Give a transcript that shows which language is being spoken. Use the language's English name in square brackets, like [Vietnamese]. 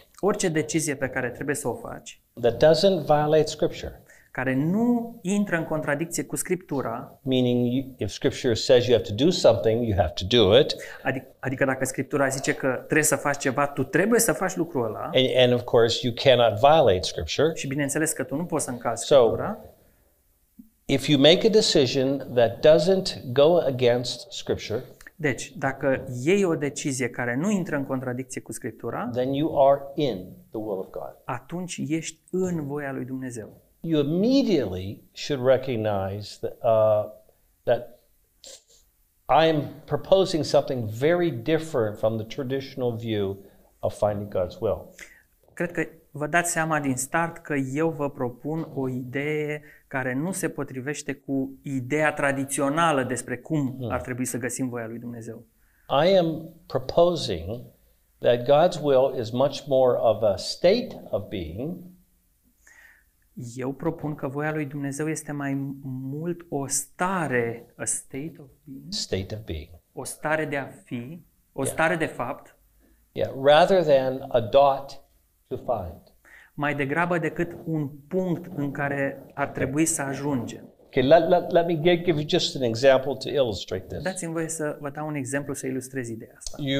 [Romanian] Orice decizie pe care trebuie să o faci. [English] That doesn't violate scripture. [Romanian] Care nu intră în contradicție cu scriptura. [English] Meaning if scripture says you have to do something, you have to do it. [Romanian] Adică dacă scriptura zice că trebuie să faci ceva, tu trebuie să faci lucrul ăla. [English] And of course you cannot violate scripture. [Romanian] Și bineînțeles că tu nu poți să încalci scriptura. [English] If you make a decision that doesn't go against scripture. [Romanian] Deci, dacă iei o decizie care nu intră în contradicție cu Scriptura, [English] then you are in the will of God. [Romanian] Atunci ești în voia lui Dumnezeu. [English] You immediately should recognize that I am proposing something very different from the traditional view of finding God's will. [Romanian] Cred că vă dați seama din start că eu vă propun o idee care nu se potrivește cu ideea tradițională despre cum ar trebui să găsim voia lui Dumnezeu. [English] I am proposing that God's will is much more of a state of being. [Romanian] Eu propun că voia lui Dumnezeu este mai mult o stare, [English] a state of being. State of being. [Romanian] O stare de a fi, o stare de fapt. [English] Yeah, rather than a dot to find. [Romanian] Mai degrabă decât un punct în care ar trebui să ajungem. [English] Okay, let me give you just an example to illustrate this. [Romanian] Dați-mi voie să vă dau un exemplu să ilustrez ideea asta.